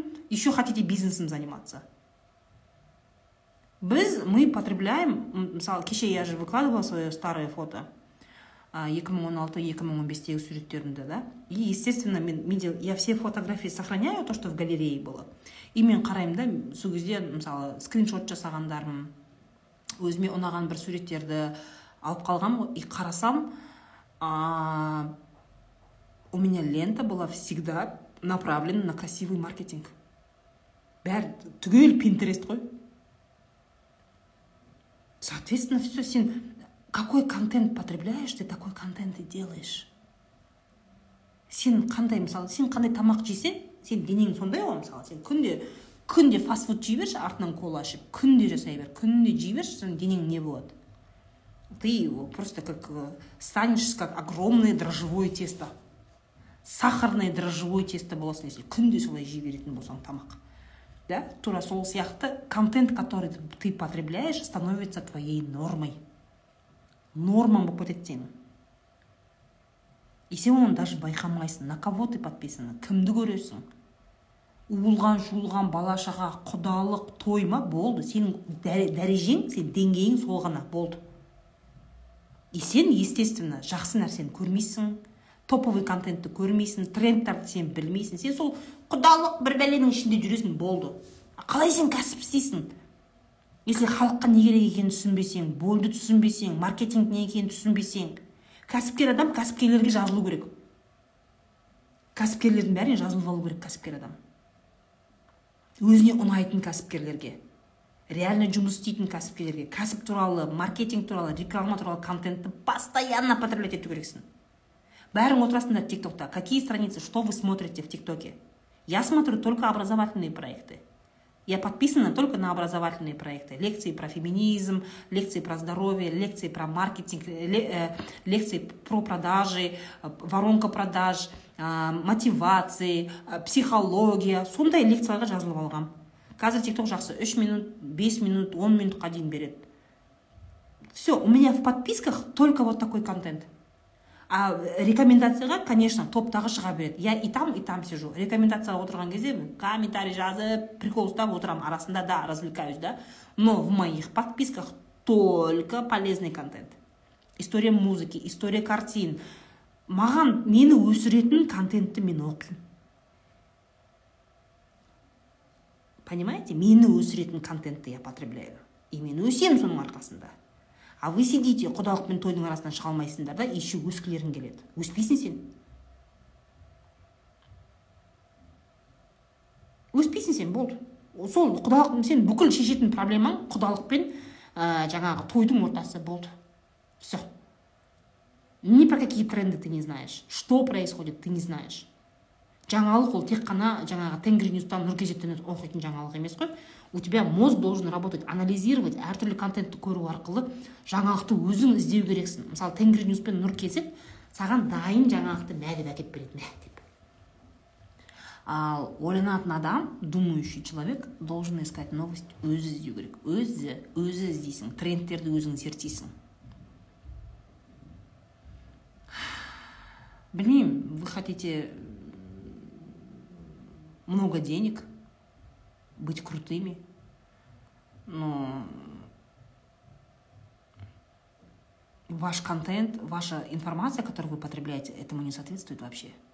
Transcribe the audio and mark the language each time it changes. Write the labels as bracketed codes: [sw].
[ru] Еще хотите бизнесом заниматься? [kk] Біз, [ru] мы потребляем, [kk] мысалы, кеше [ru] я же выкладывала свое старое фото. 2016-2015 [kk] суреттерімді, [ru] да? И естественно, [kk] менде [ru] я все фотографии сохраняю, то, что в галерее было. [kk] И мен қараймын да, сол кезде, мысалы, скриншот жасағандарым, өзіме ұнаған бір суреттерді алып қалғам, и қарасам, [ru] у меня лента была всегда направлена на красивый маркетинг. [kk] Бәрі түгел Pinterest қой. [ru] Соответственно, все, син, какой контент потребляешь, ты такой контент и делаешь. [kk] Син, қандай, мысалы, син, қандай тамақ жесең, син, денең сондай ол, мысалы, син, күнде фастфуд жей берші, артынан кола ішіп, күнде жасай бер, күнде жей берші, сон денең не болады? [ru] Ты просто как станешь, как огромное дрожжевое тесто. Сахарное дрожжевое тесто [kk] боласың, если күнде солай жей беретін болсаң тамақ. Да? Тура сол сияқты [ru] контент, который ты потребляешь, становится твоей нормой. [kk] Нормам болып кетеді сенің. И сен оны даже байқамайсың. [ru] На кого ты подписан? [kk] Кімді көресің? Уылған, жуылған, балашаға, құдалық, той ма? Болды. Сенің дәрежең, сен деңгейің сол ғана болды. И сен, естественно, жақсы нәрсені көрмейсің. Топовый контентті көрмейсің, трендтарды сен білмейсің. Сен сол құдалық бір бәленің ішінде жүресің, болды. Қалай сен кәсіп істейсің? Если халыққа не керек екенін түсінбесең, болды түсінбесең, маркетинг не екенін түсінбесең, кәсіпкер адам кәсіпкерлерге жазылу керек. Кәсіпкерлердің бәрін жазылып алу керек кәсіпкер адам. Өзіне ұнайтын кәсіпкерлерге, реально жұмыс істейтін кәсіпкерлерге, кәсіп туралы, маркетинг туралы, реклама туралы контентті [ru] постоянно потреблять [kk] ету керексің. Бәрің отырасында ТикТокта. [ru] Какие страницы, что вы смотрите в ТикТоке? Я смотрю только образовательные проекты. Я подписана только на образовательные проекты. Лекции про феминизм, лекции про здоровье, лекции про маркетинг, лекции про продажи, воронка продаж, мотивации, психология. [kk] Сондай лекцияларға жазылып алғам. Қазір ТикТок жақсы 3 минут, 5 минут, 10 минутқа дейін береді. [ru] Все, у меня в подписках только вот такой контент. [kk] А рекомендацияға, [ru] конечно, [kk] топтағы шыға береді. [ru] Я и там сижу. [kk] Рекомендацияға отырған кезде, комментарий жазып, прикол ұстап отырам. Арасында да, [ru] развлекаюсь, [kk] да. [ru] Но в моих подписках только полезный контент. История музыки, история картин. [kk] Маған мені өсіретін контентті мен оқын. [ru] Понимаете? [kk] Мені өсіретін контентті [ru] я потребляю. [kk] И мен өсем соның арқасында. [ru] А вы сидите, [kk] құдалық пен тойдың арасынан шыға алмайсыңдар да, [ru] еще [kk] өскілерің келеді. Өспейсің сен. Өспейсің сен, болды. Сол құдалық, сен бүкіл шешетін проблемаң құдалық пен жаңағы тойдың ортасы болды. [ru] Все. Ни про какие тренды ты не знаешь. Что происходит, ты не знаешь. [kk] Жаңалық ол тек қана жаңағы Тенгри Ньюстан Нұркезеттен оқитын жаңалық емес қой. [ru] У тебя мозг должен работать, анализировать, [kk] әртүрлі контентті көру арқылы жаңалықты өзің іздеу керексің. Мысалы, Тенгри Ньюс пен Нұркезет саған дайын жаңалықты мәдеп әкеп береді, мә деп. Ал ойланатын адам, [ru] думающий человек должен искать новость, [kk] өзі іздеу керек. Өзі іздейсің, трендтерді өзің зерттейсің. [ru] Блин, вы хотите много денег, быть крутыми. Но ваш контент, ваша информация, которую вы потребляете, этому не соответствует вообще.